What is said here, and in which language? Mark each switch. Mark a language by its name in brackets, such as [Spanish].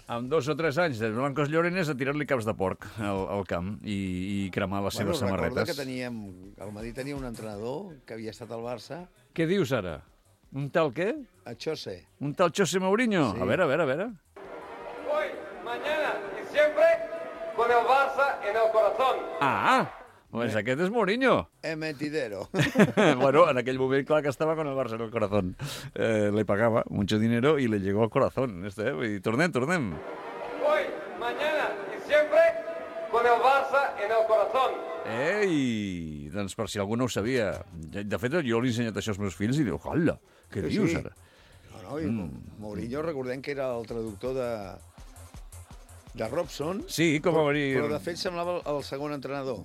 [Catalan] Amb dos o tres anys de Blancos Llorenes a tirar-li caps de porc al camp i cremar les seves samarretes. Recorda que teníem... El Madrid tenia un entrenador que havia estat al Barça. Què dius ara? Un tal què? A Xose. Un tal Xose Mourinho? Sí. A veure. [Spanish] Hoy, mañana y siempre con el Barça en el corazón. Ah! [Catalan] Pues aquest és Mourinho. El mentidero. [Spanish] Bueno, [Catalan] en aquell moment, clar, que estava [Spanish] con el Barça en el corazón. Le pagava mucho dinero y le llegó al corazón. [Catalan] Este, eh? I tornem. [Spanish] Hoy, mañana y siempre con el Barça en el corazón. [Catalan] Ei, doncs per si algú no ho sabia. De fet, jo l'he ensenyat això als meus fills i diu, hola, què que dius sí. Ara? No, i Mourinho, recordem que era el traductor de Robson. Sí, com però, va venir... Però, de fet, semblava el segon entrenador.